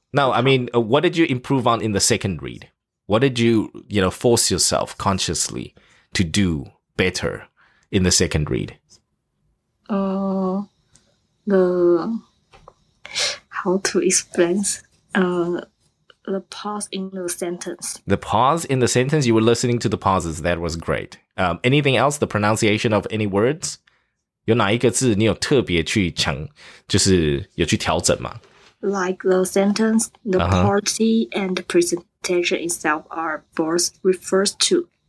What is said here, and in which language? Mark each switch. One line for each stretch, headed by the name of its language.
English: No, I mean, what did you improve on in the second read? What did you, you know, force yourself consciously to do better in the second read? How to explain the pause in the sentence. The pause in the sentence? You were listening to the pauses. That was great. Anything else? The pronunciation of any words?
Chinese: 有哪一个字你有特别去强，就是有去调整吗？
English: Like the sentence, the party and the presentation itself are both referred to.